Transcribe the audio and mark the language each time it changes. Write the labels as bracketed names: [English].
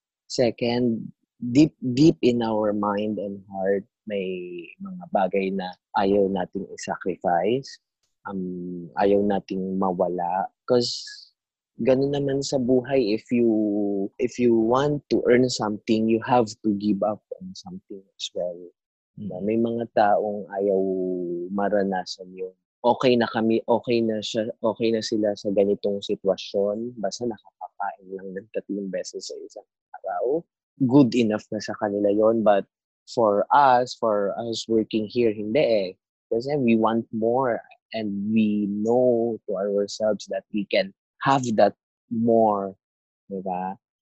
[English] Second, deep in our mind and heart, [Filipino] may mga bagay na ayaw nating i-sacrifice. Ayaw nating mawala. [English] Because [Filipino] ganun naman sa buhay, [English] if you want to earn something, you have to give up on something as well. Mm-hmm. [Filipino] May mga taong ayaw maranasan yun. Okay na sila sa ganitong sitwasyon, basta nakakakain lang ng 3 beses sa isang araw. [English] Good enough [Filipino] na sa kanila yon. [English] But for us working here, [Filipino] hindi eh. [English] Kasi we want more. And we know to ourselves that we can have that more, diba?